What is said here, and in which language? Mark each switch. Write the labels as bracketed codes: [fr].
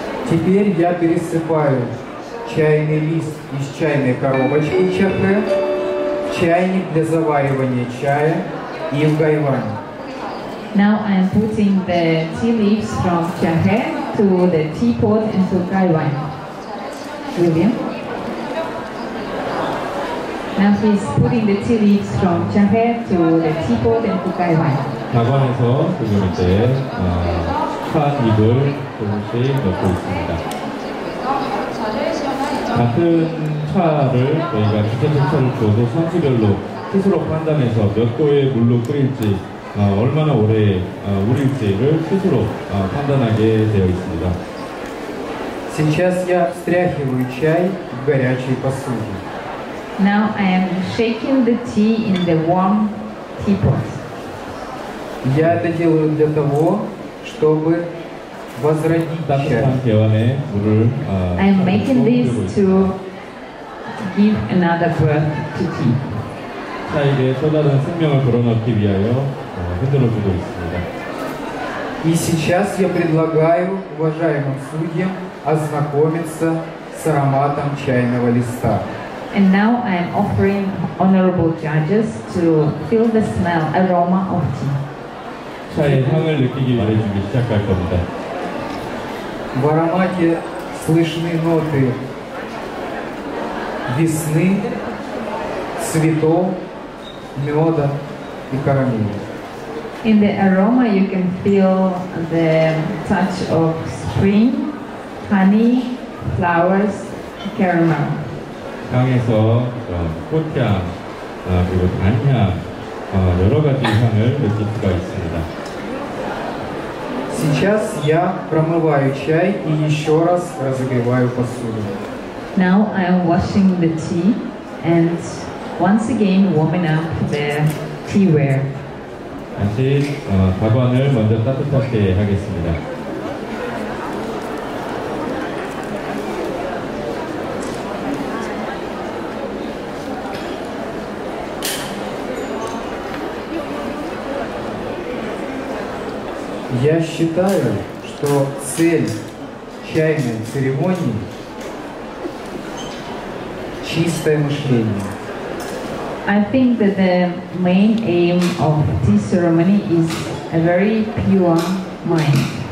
[ru] Теперь я пересыпаю чайный лист из чайной коробочки чахэ в чайник для заваривания чая и в гайвань. [en] Now I am putting the tea leaves from чахэ to the teapot and to гайвань. William. Now he is putting the tea leaves from чахэ to the teapot and to гайвань. [ko] 가관에서 지금 이제 차잎을 조금씩 넣고 있습니다. 같은 차를 저희가 기체적차를 줘도 선수별로 스스로 판단해서 몇 도의 물로 끓일지 얼마나 오래 우릴지를 스스로 판단하게 되어 있습니다. [ru] Сейчас я встряхиваю чай в горячей посуде. [en] Now I am shaking the tea in the warm teapot. [ru] Я это делаю для того, чтобы [en] I am making this to give another birth to tea. [ko] 자 이제 또 다른 생명을 불어넣기 위하여 흔들어 주고 있습니다. [ru] И сейчас я предлагаю уважаемым судьям ознакомиться с ароматом чайного листа. [en] And now I am offering honorable judges to feel the smell, aroma of tea. [ko] 차의 향을 느끼기 위해 준비 시작할 겁니다. [ru] В аромате слышны ноты весны, цветов, меда и карамели. [en] In the aroma you can feel the touch of spring, honey, flowers, caramel. [ko] 향에서 꽃향 그리고 단향 여러 가지 향을 느낄 수가 있습니다. [ru] Сейчас я промываю чай и еще раз разогреваю посуду. [en] Now I am washing the tea and once again warming up the teaware. [ko] 다시 가관을 먼저 따뜻하게 하겠습니다. [ru] Я считаю, что цель чайной церемонии – чистое мышление. [en] I think that the main aim of tea ceremony is a very pure mind.